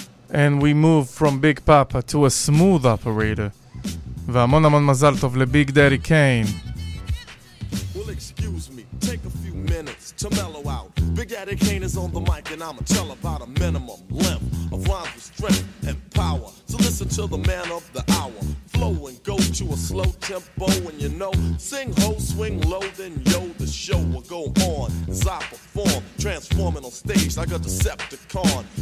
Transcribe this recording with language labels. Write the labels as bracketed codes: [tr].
[en] And we move from Big Papa to a smooth operator. [he] והמון המון מזל טוב לביג דאדי קיין. [en] Well, excuse me, take a few minutes to mellow out. Big Daddy Kane is on the mic and I'ma tell about a minimum length of rhymes with strength and power. So listen to the man of the hour. Flow and go to a slow tempo and you know, sing ho, swing low, then yo, the show will go on as I perform, transforming on stage like a Decepticon.